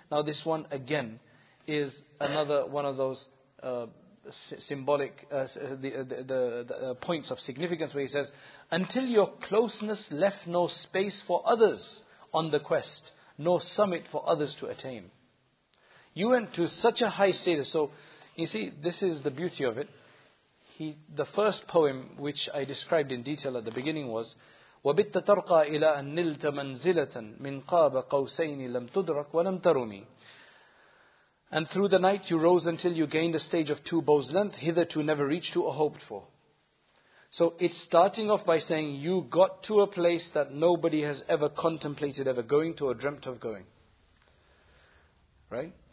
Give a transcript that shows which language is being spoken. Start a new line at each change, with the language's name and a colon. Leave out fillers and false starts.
English: Now this one again is another one of those symbolic the points of significance, where he says, "Until your closeness left no space for others on the quest, no summit for others to attain." You went to such a high status. So you see, this is the beauty of it. The first poem, which I described in detail at the beginning, was
Arabic: وَبِتَّ تَرْقَى إِلَىٰ أَن نِلْتَ مَنْزِلَةً مِنْ قَابَ قَوْسَيْنِ لَمْ تُدْرَكْ وَلَمْ تَرُمِي.
English: And through the night you rose until you gained a stage of two bows length, hitherto never reached to or hoped for. So it's starting off by saying you got to a place that nobody has ever contemplated ever going to or dreamt of going. Right?